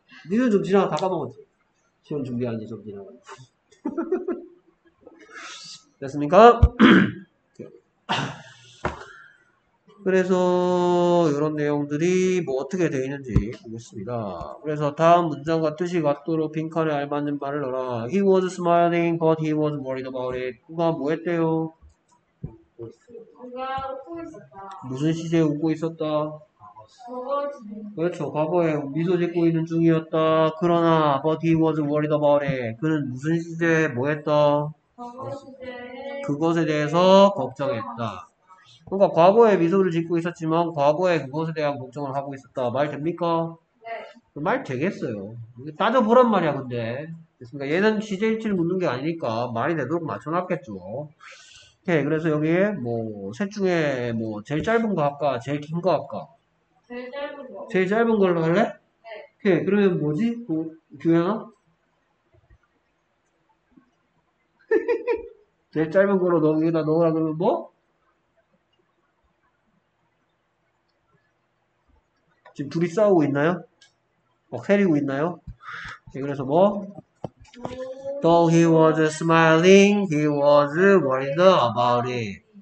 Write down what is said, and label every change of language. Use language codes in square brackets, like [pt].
[ko] 니는 좀 지나가 다 까먹었지. 시험 준비하는 게 좀 지나가. 됐습니까? 그래서 이런 내용들이 뭐 어떻게 되어 있는지 보겠습니다. 그래서 다음 문장과 뜻이 같도록 빈칸에 알맞는 말을 넣어라. [en] He was smiling, but he was worried about it. [ko] 그가 뭐 했대요? 그가 웃고 있었다. 무슨 시제에 웃고 있었다? 과거 중. 그렇죠. 과거에 미소 짓고 있는 중이었다. 그러나, [en] but he was worried about it. [ko] 그는 무슨 시제에 뭐 했다? 과거 시제에. 그것에 대해서 걱정했다. 그러니까 과거에 미소를 짓고 있었지만 과거에 그것에 대한 걱정을 하고 있었다. 말 됩니까? 네. 말 되겠어요. 따져보란 말이야 근데. 그러니까 얘는 시제일치를 묻는 게 아니니까 말이 되도록 맞춰놨겠죠. 오케이. 그래서 여기에 뭐 셋 중에 뭐 제일 짧은 거 할까? 제일 긴 거 할까? 제일 짧은 거. 제일 짧은 걸로 할래? 네. 오케이. 그러면 뭐지? 규현아? 제일 짧은 걸로 여기다 넣으라 그러면 뭐? 지금 둘이 싸우고 있나요? 막 해리고 있나요? 네, 그래서 뭐? [en] Though he was smiling, he was worried about it.